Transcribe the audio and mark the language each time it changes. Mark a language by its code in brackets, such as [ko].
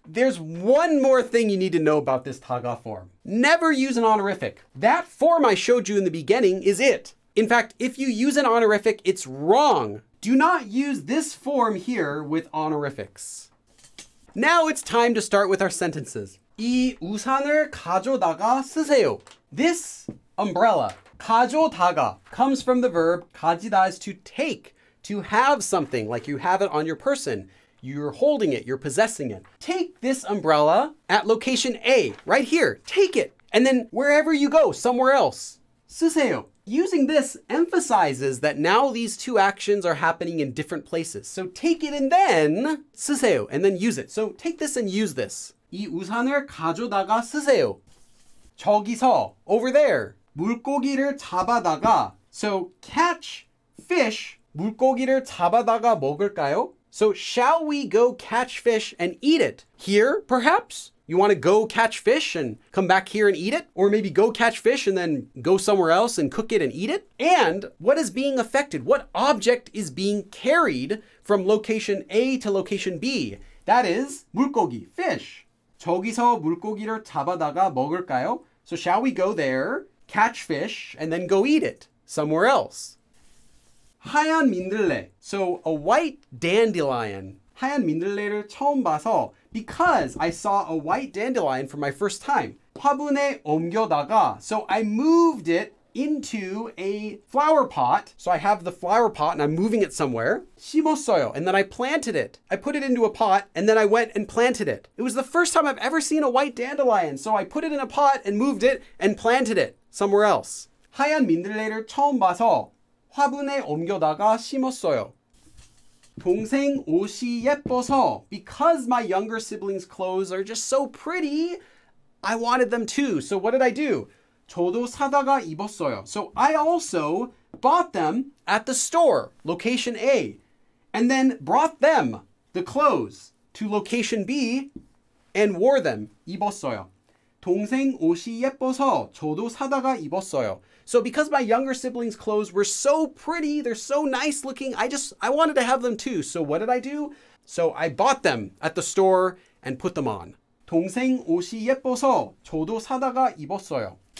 [en] There's one more thing you need to know about this 다가 form. Never use an honorific. That form I showed you in the beginning is it. In fact, if you use an honorific, it's wrong. Do not use this form here with honorifics. Now it's time to start with our sentences. [ko] 이 우산을 가져다가 쓰세요. [en] This umbrella, 가져다가, comes from the verb 가지다 is to take, to have something, like you have it on your person. You're holding it, you're possessing it. Take this umbrella at location A, right here, take it. And then wherever you go, somewhere else. [ko] 쓰세요. [en] Using this emphasizes that now these two actions are happening in different places. So take it and then [ko] 쓰세요, [en] and then use it. So take this and use this. [ko] 이 우산을 가져다가 쓰세요. 저기서, [en] over there. [ko] 물고기를 잡아다가. [en] So catch fish. [ko] 물고기를 잡아다가 먹을까요? [en] So shall we go catch fish and eat it? Here, perhaps? You want to go catch fish and come back here and eat it? Or maybe go catch fish and then go somewhere else and cook it and eat it? And what is being affected? What object is being carried from location A to location B? That is 물고기, fish. [ko] 저기서 물고기를 잡아다가 먹을까요? [en] So shall we go there, catch fish, and then go eat it somewhere else? [ko] 하얀 민들레. [en] So a white dandelion. [ko] 하얀 민들레를 처음 봐서. [en] Because I saw a white dandelion for my first time. [ko] 화분에 옮겨다가. [en] So I moved it into a flower pot. So I have the flower pot and I'm moving it somewhere. [ko] 심었어요. [en] And then I planted it. I put it into a pot and then I went and planted it. It was the first time I've ever seen a white dandelion. So I put it in a pot and moved it and planted it somewhere else. [ko] 하얀 민들레를 처음 봐서. 화분에 옮겨다가 심었어요. 동생 옷이 예뻐서. [en] Because my younger sibling's clothes are just so pretty, I wanted them too. So what did I do? [ko] 저도 사다가 입었어요. [en] So I also bought them at the store, location A, and then brought them, the clothes, to location B and wore them. [ko] 입었어요. 동생 옷이 예뻐서 저도 사다가 입었어요. [en] So because my younger sibling's clothes were so pretty, they're so nice looking, I wanted to have them too. So what did I do? So I bought them at the store and put them on. [ko] 동생 옷이 예뻐서 저도 사다가 입었어요.